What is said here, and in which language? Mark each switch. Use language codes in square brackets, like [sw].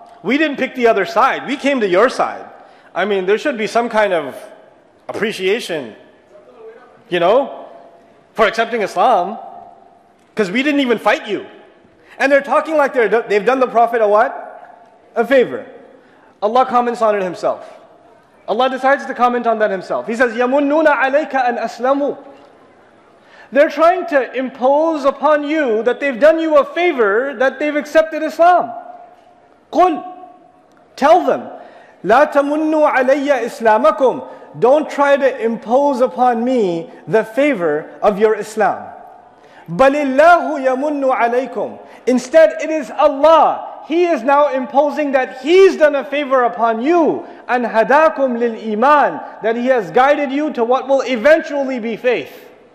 [en] We didn't pick the other side. We came to your side. I mean, there should be some kind of appreciation, you know? For accepting Islam, because we didn't even fight you. And they're talking like they've done the Prophet a what? A favor. Allah comments on it himself. Allah decides to comment on that himself. He says, [ar] يَمُنُّونَ عَلَيْكَ أَنْ أَسْلَمُوا. [en] They're trying to impose upon you that they've done you a favor, that they've accepted Islam. [ar] قُلْ. [en] Tell them, [ar] لَا تَمُنُّوا عَلَيَّ إِسْلَامَكُمْ. [en] Don't try to impose upon me the favor of your Islam. [ar] بَلِلَّهُ يَمُنُّ عَلَيْكُمْ. [en] Instead, it is Allah. He is now imposing that He's done a favor upon you. [ar] أَنْ هَدَاكُمْ لِلْإِيمَانِ. [en] That He has guided you to what will eventually be faith.